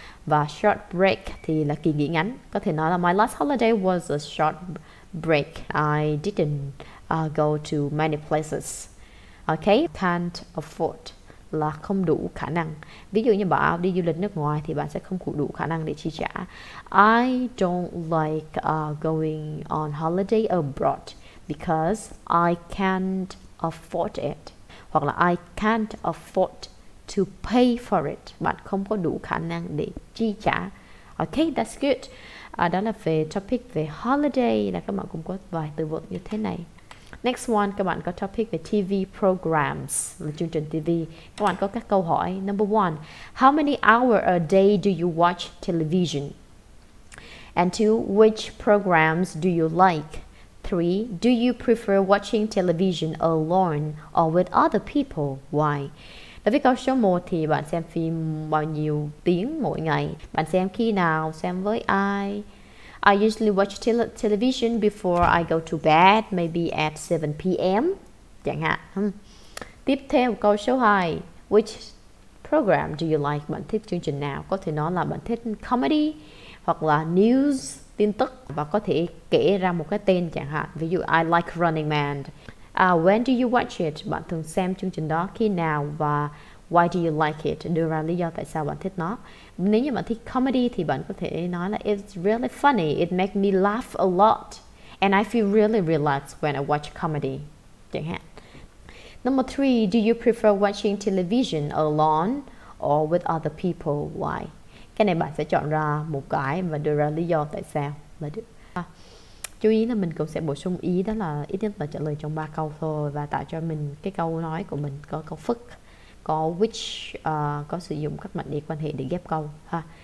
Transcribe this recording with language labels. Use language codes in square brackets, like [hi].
[vi] Và short break thì là kỳ nghỉ ngắn. Có thể nói là [en] my last holiday was a short break. I didn't go to many places. Okay, can't afford [vi] là không đủ khả năng. Ví dụ như bạn đi du lịch nước ngoài thì bạn sẽ không đủ khả năng để chi trả. [en] I don't like going on holiday abroad because I can't afford it. [vi] Hoặc là [en] I can't afford to pay for it. [vi] Bạn không có đủ khả năng để chi trả. [en] Okay, that's good. [vi] Đó là về topic về holiday. Là các bạn cũng có vài từ vựng như thế này. [en] Next one, [vi] các bạn có topic về TV programs, là chương trình TV. Các bạn có các câu hỏi. [en] Number one, how many hours a day do you watch television? And two, which programs do you like? Three, do you prefer watching television alone or with other people? Why? [vi] Đối với câu số 1 thì bạn xem phim bao nhiêu tiếng mỗi ngày? Bạn xem khi nào? Xem với ai? [en] I usually watch television before I go to bed, maybe at 7 p.m. [vi] chẳng hạn. Tiếp theo câu số 2, [en] which program do you like? [vi] Bạn thích chương trình nào? Có thể nói là bạn thích comedy hoặc là news, tin tức, và có thể kể ra một cái tên chẳng hạn. Ví dụ [en] I like Running Man. When do you watch it? [vi] Bạn thường xem chương trình đó khi nào và [en] why do you like it? [vi] Đưa ra lý do tại sao bạn thích nó. Nếu như bạn thích comedy thì bạn có thể nói là [en] it's really funny, it makes me laugh a lot and I feel really relaxed when I watch comedy. [vi] Chẳng hạn. [en] Number 3, do you prefer watching television alone or with other people? Why? [vi] Cái này bạn sẽ chọn ra một cái và đưa ra lý do tại sao là được. Chú ý là mình cũng sẽ bổ sung ý, đó là ít nhất là trả lời trong 3 câu thôi và tạo cho mình cái câu nói của mình có câu phức, có which, có sử dụng các mệnh đề quan hệ để ghép câu ha.